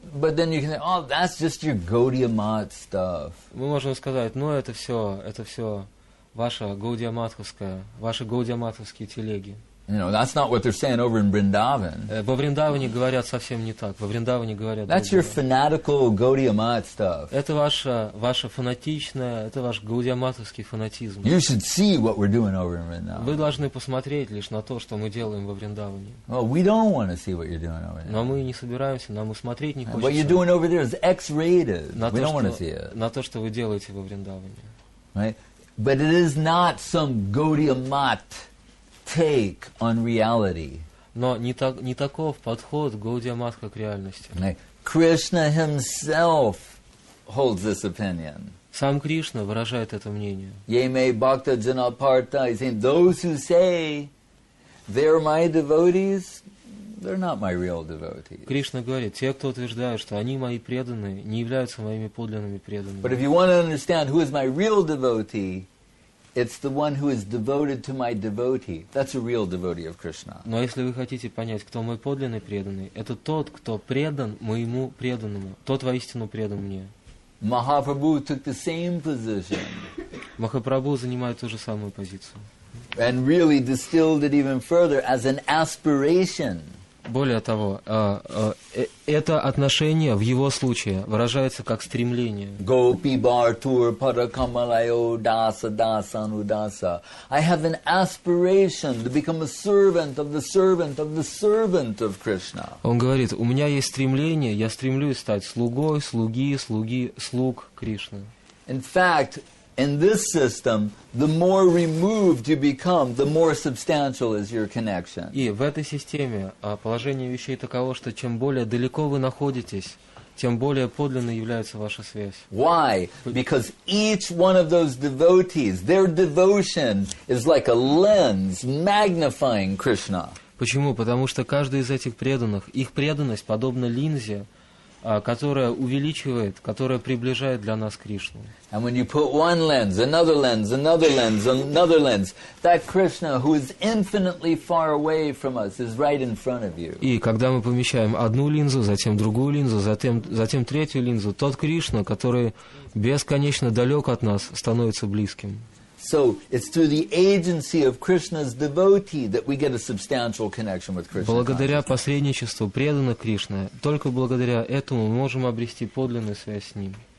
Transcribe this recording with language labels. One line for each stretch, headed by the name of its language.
English: But then you can say, oh, that's just your Gaudiya Math stuff.
Russian: Мы можем сказать, ну это все ваша Gaudiya Mathovskaya, ваши Gaudiya Mathovskaya телеги.
English: You know, that's not what they're saying over in Vrindavan.
Russian: Во Вриндаване говорят совсем не так. Во Вриндаване говорят.
English: That's your fanatical Gaudiya Math stuff.
Russian: Это ваша фанатичная, это ваш Gaudiya Mathovskaya фанатизм.
English: You should see what we're doing over in Vrindavan.
Russian: Вы должны посмотреть лишь на то, что мы делаем во Вриндаване.
English: Well, we don't want to see what you're doing over there.
Russian: Но мы не собираемся, нам и смотреть не хочется.
English: What you're doing over there is X-rated. We don't want to see it.
Russian: На то, что вы делаете во Вриндаване.
English: Right? But it is not some Gaudiya Math take on reality.
Russian: Но не, так, не таков подход Гаудия Матха к реальности.
English: Krishna himself holds this opinion.
Russian: Сам Кришна выражает это мнение.
Sanskrit: Yemei bhakta janaparta
English: is in those who say they're my devotees, they're not my real devotees.
Russian: Кришна говорит, те, кто утверждают, что они мои преданные, не являются моими подлинными преданными.
English: But if you want to understand who is my real devotee, it's the one who is devoted to my devotee. That's a real devotee of Krishna.
Russian: Но если вы хотите понять, кто мой подлинный преданный, это тот, кто предан моему преданному, тот воистину предан мне.
English: Mahaprabhu took the same position.
Russian: Махапрабху занимает ту же самую позицию.
English: And really distilled it even further as an aspiration.
Russian: Более того, это отношение в его случае выражается как стремление.
Sanskrit: Gopi bartur parakamalayo dasa dasanudasa.
English: I have an aspiration to become a servant of the servant of the servant of Krishna.
Russian: Он говорит, у меня есть стремление, я стремлюсь стать слугой, слуги, слуги, слуг Кришны.
English: In fact, in this system, the more removed you become, the more substantial is your connection.
Russian: И в этой системе положение вещей таково, что чем более далеко вы находитесь, тем более подлинной является ваша связь.
English: Why? Because each one of those devotees, their devotion is like a lens magnifying Krishna.
Russian: Почему? Потому что каждый из этих преданных, их преданность подобна линзе, которая увеличивает, которая приближает для нас Кришну. And when you put one lens, another lens, another lens, another lens, that Krishna, who is infinitely far away from us, is right in front of you. И когда мы помещаем одну линзу, затем другую линзу, затем третью линзу, тот Кришна, который бесконечно далек от нас, становится близким. So it's through the agency of Krishna's devotee that we get a substantial connection with Krishna. Благодаря посредничеству преданных Кришны, только благодаря этому мы можем обрести подлинную связь с ним.